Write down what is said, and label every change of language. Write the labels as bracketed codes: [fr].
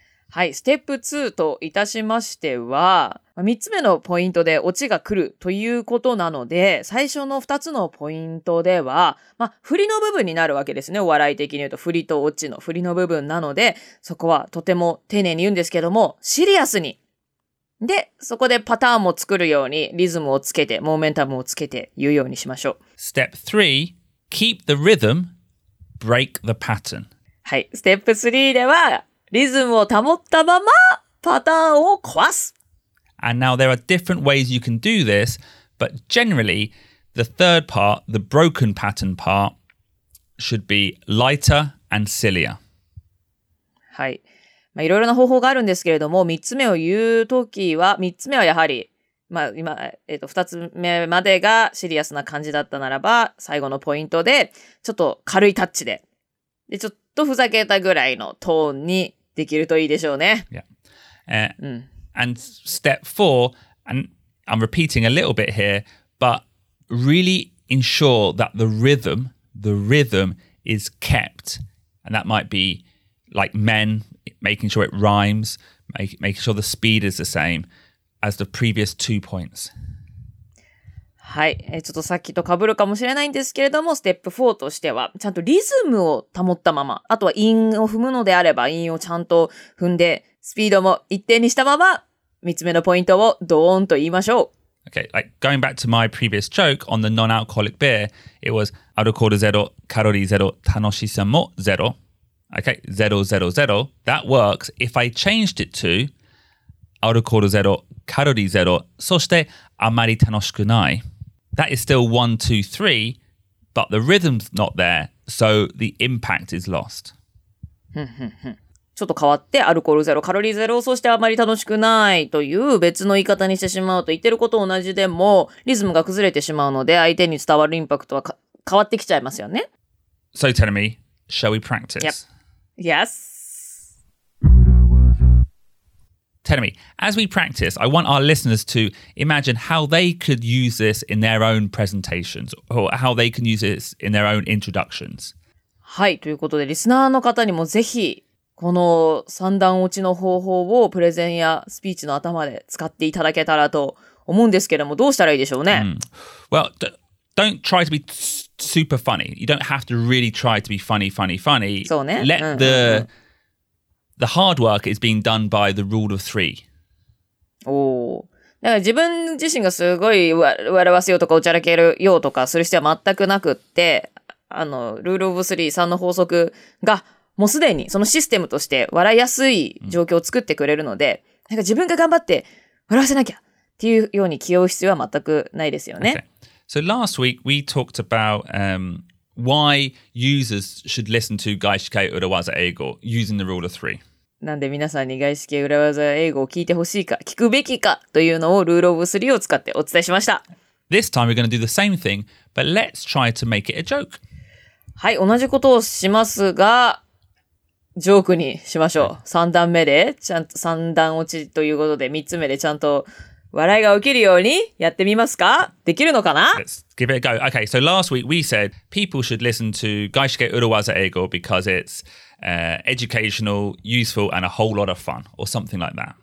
[ja] はい、ステップ2といたしましては、3つ目のポイントでオチが来るということなので、最初の2つのポイントでは、まあ、振りの部分になるわけですね。お笑い的に言うと、振りとオチの振りの部分なので、そこはとても丁寧に言うんですけども、シリアスに。で、そこでパターンも作るように、リズムをつけて、モーメンタムをつけて言うようにしましょう。 [en] Step 3, keep the rhythm, break the pattern. [ja] はい、ステップ3では、リズムを保ったまま、パターンを壊す。 [en] And now there are different ways you can do this, but generally, the third part, the broken pattern part, should be lighter and sillier. [ja] はい。まあ、いろいろな方法があるんですけれども、三つ目を言うときは、三つ目はやはり、まあ今、二つ目までがシリアスな感じだったならば、最後のポイントで、ちょっと軽いタッチで、で、ちょっとふざけたぐらいのトーンにできるといいでしょうね。 [en] Yeah. And step four, and I'm repeating a little bit here, but really ensure that the rhythm is kept. And that might be like men, making sure it rhymes, making sure the speed is the same as the previous two points. [ja] はい。ちょっとさっきと被るかもしれないんですけれども、ステップ4としては、ちゃんとリズムを保ったまま、あとは韻を踏むのであれば、韻をちゃんと踏んで、スピードも一定にしたまま、3つ目のポイントをドーンと言いましょう。 [en] Okay, like going back to my previous joke on the non-alcoholic beer, it was [ja] アルコールゼロ、カロリーゼロ、楽しさもゼロ。 [en] Okay, [ja] ゼロゼロゼロ。 [en] That works if I changed it to [ja] アルコールゼロ、カロリーゼロ、そしてあまり楽しくない。 [en] That is still 1, 2, 3, but the rhythm's not there, so the impact is lost. [ja] ちょっと変わって、アルコールゼロ、カロリーゼロ、そしてあまり楽しくないという別の言い方にしてしまうと、言ってること同じでも、リズムが崩れてしまうので、相手に伝わるインパクトは変わってきちゃいますよね。 [en] So tell me, shall we practice?、 Yep. Yes. Tell me, as we practice, I want our listeners to imagine how they could use this in their own presentations, or how they can use this in their own introductions. [ja] はい、ということで、リスナーの方にもぜひ、この三段落ちの方法をプレゼンやスピーチの頭で使っていただけたらと思うんですけども、どうしたらいいでしょうね。 [en] Well, don't try to be super funny. You don't have to really try to be funny, funny, funny. [ja] そうね。 [en] Let the hard work is being done by the rule of three. [ja] おお。だから自分自身がすごい笑わせようとかおちゃらけるようとかする必要は全くなくって、ルールオブスリー3の法則が、もうすでにそのシステムとして笑いやすい状況を作ってくれるので、なんか自分が頑張って笑わせなきゃっていうように気負う必要は全くないですよね。 [en] Okay. So last week we talked about why users should listen to 外資系裏技英語 using the rule of three. [ja] なんで皆さんに外資系裏技英語を聞いてほしいか、聞くべきかというのをルールオブスリーを使ってお伝えしました。 [en] This time we're going to do the same thing, but let's try to make it a joke. [ja] はい、同じことをしますが、ジョークにしましょう。三段目で、ちゃんと三段落ちということで、三つ目でちゃんと笑いが起きるようにやってみますか？できるのかな？ [en] Let's give it a go. Okay, so last week we said people should listen to Gaishike Urowaza Eigo because it's educational, useful, and a whole lot of fun, or something like that.